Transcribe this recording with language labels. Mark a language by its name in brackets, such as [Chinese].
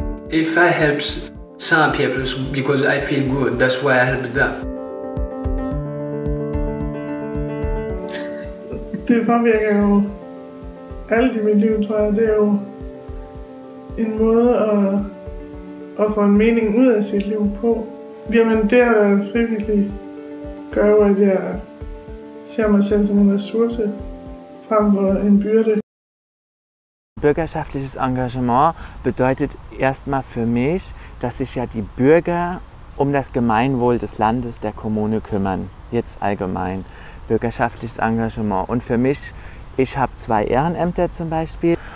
[English] If I help some people because I feel good, that's why I help them. [Danish] Det påvirker jo alt i mit liv, tror jeg. Det er jo en måde at få en mening ud af sit liv på. Jamen det at være frivillig gør jo, at jeg ser mig selv som en ressource frem for en byrde. [German] Bürgerschaftliches Engagement bedeutet erstmal für mich, dass sich ja die Bürger um das Gemeinwohl des Landes, der Kommune kümmern. Jetzt allgemein. Bürgerschaftliches Engagement. Und für mich, ich habe zwei Ehrenämter zum Beispiel.